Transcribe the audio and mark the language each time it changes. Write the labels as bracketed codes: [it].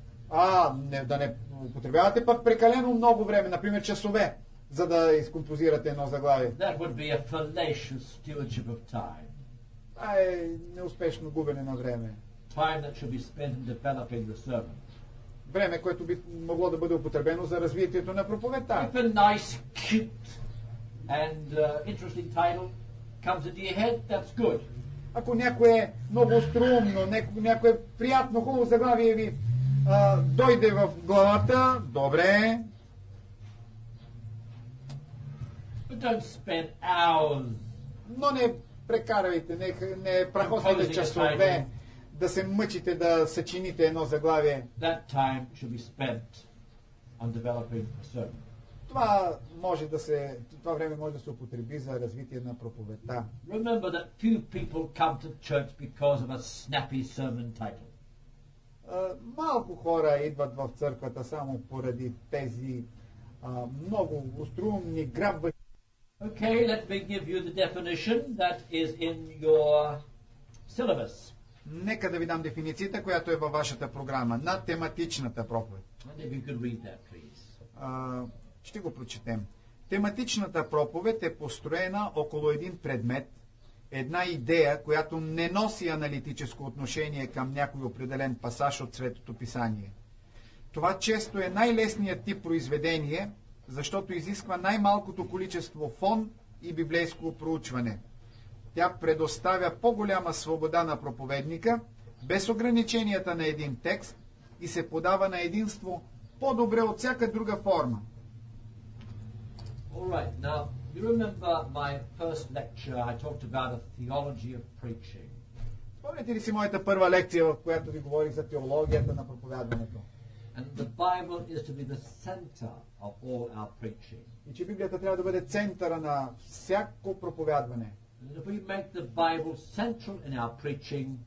[bg] А, не, да не употребявате пък прекалено много време, например часове, за да изкомпозирате едно заглавие. [en] That would be a fallacious stewardship of time. [bg] Това е неуспешно губене на време. [en] Time that should be spent in developing the sermon. [bg] Време, което би могло да бъде употребено за развитието на проповедта. [en] If a nice, cute and interesting title comes into your head, that's good. [bg] Ако някое е много остроумно, някое приятно, хубаво заглавие ви дойде в главата, добре. [en] But don't spend hours. [bg] Но не прекарвайте, не прахосвайте часове да се мъчите да съчините едно заглавие. [en] That time should be spent on developing a sermon. [bg] Това време може да се употреби за развитие на проповедта. [en] Remember that few people come to church because of a snappy sermon title. [bg] Малко хора идват в църквата само поради тези много остроумни грабва. [en] Okay, let me give you the definition that is in your syllabus. [bg] Нека да ви дам дефиницията, която е във вашата програма, на тематичната проповед. [en] And if you could read that, please. [bg] Ще го прочетем. Тематичната проповед е построена около един предмет, една идея, която не носи аналитическо отношение към някой определен пасаж от Светото писание. Това често е най-лесният тип произведение, защото изисква най-малкото количество фон и библейско проучване. Тя предоставя по-голяма свобода на проповедника, без ограниченията на един текст и се подава на единство по-добре от всяка друга форма. [en] All right. Now, you remember my first lecture, I talked about a theology of preaching. [bg] Помните ли си моята първа лекция, в която ви говорих за теологията на проповядването? [en] And the Bible is to be the center of all our preaching. [bg] И че Библията трябва да бъде центъра на всяко проповядване. [en] And if we make the Bible central in our preaching,